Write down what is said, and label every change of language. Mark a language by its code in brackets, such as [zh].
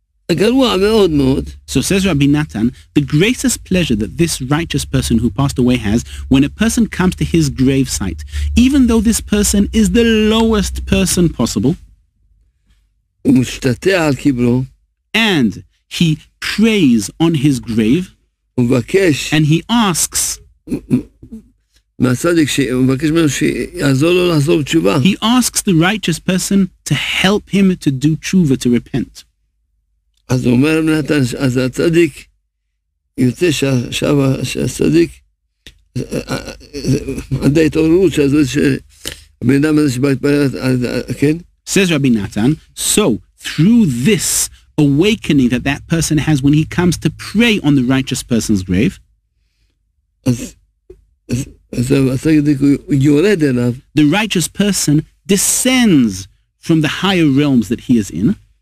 [en] So says Rabbi Natan, the greatest pleasure that this righteous person who passed away has, when a person comes to his grave site, even though this person is the lowest person possible, and he prays on his grave, and he asks, he asks the righteous person to help him to do tshuva, to repent. [he] אז אומר נתן, אז הצדיק יוצא שעכשיו שהצדיק עד ההתעוררות הזאת שבן אדם הזה שבא התפלל, כן? [en] Says Rabbi Natan, so through this awakening that that person has when he comes to pray on the righteous person's grave, [he] אז [en] The righteous person descends from the higher realms that he is in.